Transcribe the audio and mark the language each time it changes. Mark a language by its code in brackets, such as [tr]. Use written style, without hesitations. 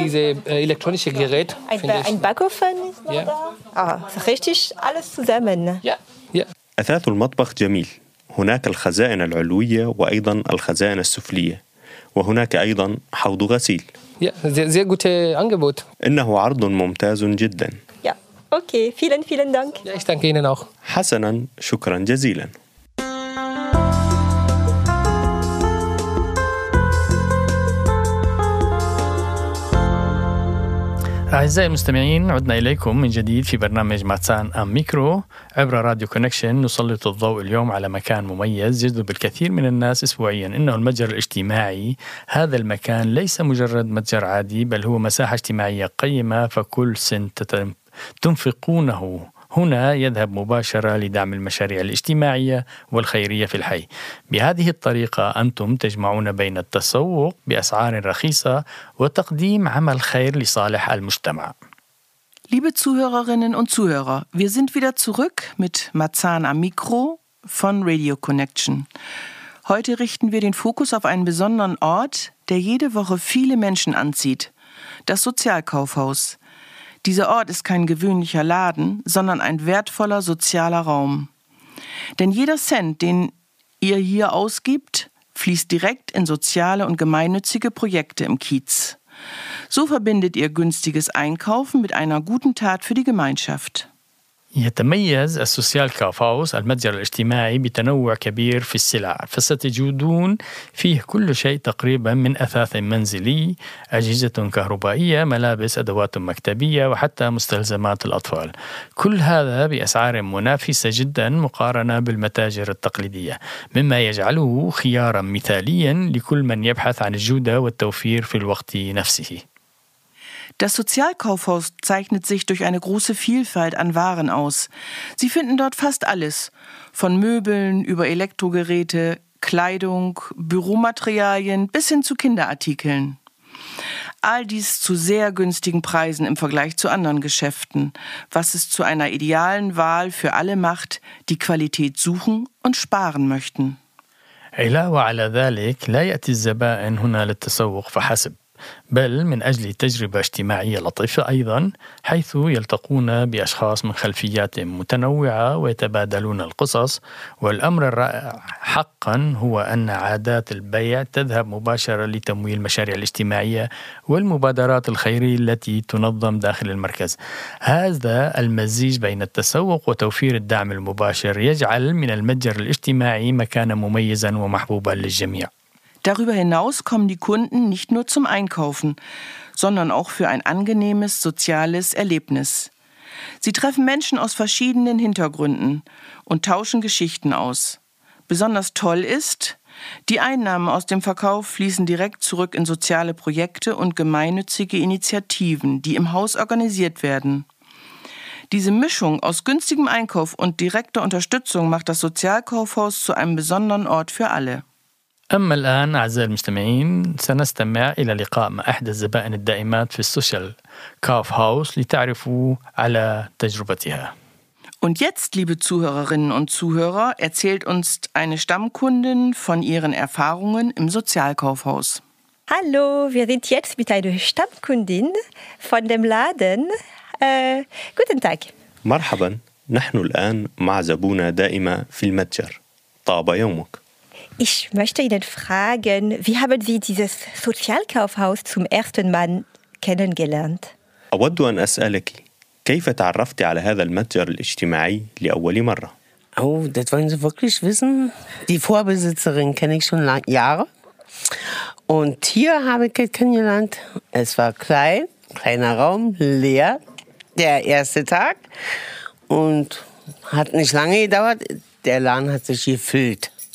[de] Diese elektronische Gerät. Ein Backofen ist noch da. Richtig, alles zusammen. Ja. [ar] أثاث المطبخ جميل. هناك الخزائن العلوية وأيضا الخزائن السفلية، وهناك أيضا حوض غسيل. إنه عرض ممتاز جدا. [de] أوكي، vielen Dank. Ich danke Ihnen auch. [ar] حسنا، شكرا جزيلا. أعزائي المستمعين، عدنا إليكم من جديد في برنامج ماتسان أم ميكرو عبر راديو كونكشن. نسلط الضوء اليوم على مكان مميز يجذب الكثير من الناس أسبوعيا، إنه المتجر الاجتماعي. هذا المكان ليس مجرد متجر عادي، بل هو مساحة اجتماعية قيمة، فكل سنت تنفقونه هنا يذهب مباشرة لدعم المشاريع الاجتماعية والخيرية في الحي. بهذه الطريقة أنتم تجمعون بين التسوق بأسعار رخيصة وتقديم عمل خير لصالح المجتمع. [de] Liebe Zuhörerinnen und Zuhörer, wir sind wieder zurück mit Marzahn am Mikro von Radio Connection. Heute richten wir den Fokus auf einen besonderen Ort, der jede Woche viele Menschen anzieht: das Sozialkaufhaus. Dieser Ort ist kein gewöhnlicher Laden, sondern ein wertvoller sozialer Raum. Denn jeder Cent, den ihr hier ausgibt, fließt direkt in soziale und gemeinnützige Projekte im Kiez. So verbindet ihr günstiges Einkaufen mit einer guten Tat für die Gemeinschaft. [ar] يتميز السوسيال كافاوس المتجر الاجتماعي بتنوع كبير في السلع فستجدون فيه كل شيء تقريبا من أثاث منزلي أجهزة كهربائية ملابس أدوات مكتبية وحتى مستلزمات الأطفال كل هذا بأسعار منافسة جدا مقارنة بالمتاجر التقليدية مما يجعله خيارا مثاليا لكل من يبحث عن الجودة والتوفير في الوقت نفسه. [de] Das Sozialkaufhaus zeichnet sich durch eine große Vielfalt an Waren aus. Sie finden dort fast alles, von Möbeln über Elektrogeräte, Kleidung, Büromaterialien bis hin zu Kinderartikeln. All dies zu sehr günstigen Preisen im Vergleich zu anderen Geschäften, was es zu einer idealen Wahl für alle macht, die Qualität suchen und sparen möchten. [ar] علاوة على ذلك لا يأتي الزبائن هنا للتسوق فحسب. بل من أجل تجربة اجتماعية لطيفة أيضا حيث يلتقون بأشخاص من خلفيات متنوعة ويتبادلون القصص والأمر الرائع حقا هو أن عادات البيع تذهب مباشرة لتمويل المشاريع الاجتماعية والمبادرات الخيرية التي تنظم داخل المركز هذا المزيج بين التسوق وتوفير الدعم المباشر يجعل من المتجر الاجتماعي مكانا مميزا ومحبوبا للجميع. [de] Darüber hinaus kommen die Kunden nicht nur zum Einkaufen, sondern auch für ein angenehmes soziales Erlebnis. Sie treffen Menschen aus verschiedenen Hintergründen und tauschen Geschichten aus. Besonders toll ist, die Einnahmen aus dem Verkauf fließen direkt zurück in soziale Projekte und gemeinnützige Initiativen, die im Haus organisiert werden. Diese Mischung aus günstigem Einkauf und direkter Unterstützung macht das Sozialkaufhaus zu einem besonderen Ort für alle. [ar] أما الآن أعزائي المستمعين سنستمع إلى لقاء مع أحد الزبائن الدائمات في السوشيال كاف هاوس لتعرفوا على تجربتها. [de] Und jetzt, liebe Zuhörerinnen und Zuhörer, erzählt uns eine Stammkundin von ihren Erfahrungen im Sozialkaufhaus. Hallo, wir sind jetzt mit einer Stammkundin von dem Laden. Guten Tag. [ar] مرحبا. نحن الآن مع زبونة دائمة في المتجر. طاب يومك. [de] Ich möchte Ihnen fragen, wie haben Sie dieses Sozialkaufhaus zum ersten Mal kennengelernt? [ar] أود أن أسألك كيف تعرفت على هذا المتجر الاجتماعي لأول مرة؟ [de] Oh, das wollen Sie wirklich wissen? Die Vorbesitzerin kenne ich schon Jahre. Und hier habe ich kennengelernt. Es war klein, kleiner Raum, leer, der erste Tag. Und hat nicht lange gedauert, der Laden hat sich gefüllt.